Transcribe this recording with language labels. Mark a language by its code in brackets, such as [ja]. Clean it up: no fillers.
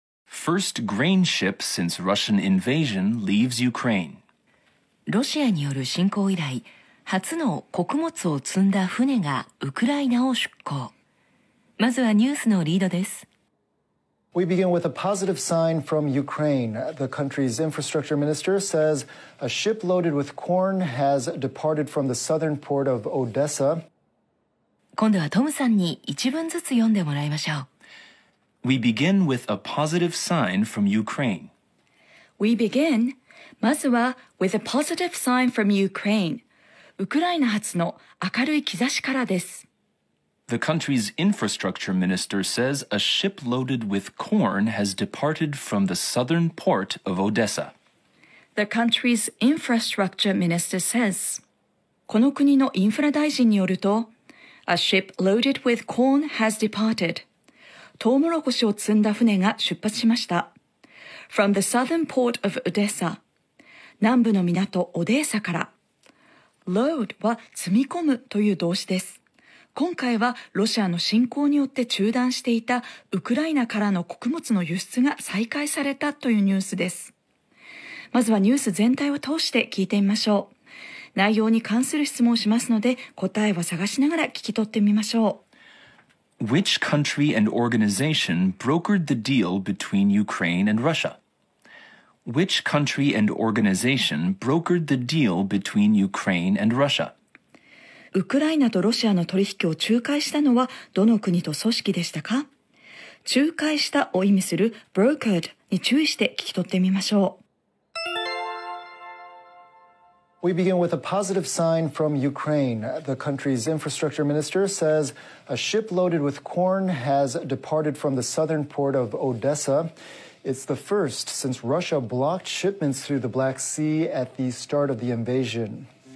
[en] first grain ship since Russian invasion leaves Ukraine. [ja] ロシアによる侵攻以来、初の穀物を積んだ船がウクライナを出港。まずはニュースのリードです。 [en] We begin with a positive sign from Ukraine. The country's infrastructure minister says a ship loaded with corn has departed from the southern port of Odessa. [ja] 今度はトムさんに一文ずつ読んでもらいましょう。 [en] We begin with a positive sign from Ukraine. We begin, [ja] まずは [en] with a positive sign from Ukraine. [ja] ウクライナ発の明るい兆しからです。 [en] The country's infrastructure minister says a ship loaded with corn has departed from the southern port of Odessa. The country's infrastructure minister says, [ja] この国のインフラ大臣によると、 [en] A ship loaded with corn has departed. [ja] トウモロコシを積んだ船が出発しました。 [en] From the southern port of Odessa. [ja] 南部の港オデーサから。 Load は積み込むという動詞です。今回はロシアの侵攻によって中断していたウクライナからの穀物の輸出が再開されたというニュースです。まずはニュース全体を通して聞いてみましょう。内容に関する質問をしますので、答えを探しながら聞き取ってみましょう。 [en] Which country and organization brokered the deal between Ukraine and Russia? Which country and organization brokered the deal between Ukraine and Russia? [ja] ウクライナとロシアの取引を仲介したのはどの国と組織でしたか？仲介したを意味する brokered に注意して聞き取ってみましょう。 [en] We begin with a positive sign from Ukraine. The country's infrastructure minister says a ship loaded with corn has departed from the southern port of Odessa. It's the first since Russia blocked shipments through the Black Sea at the start of the invasion.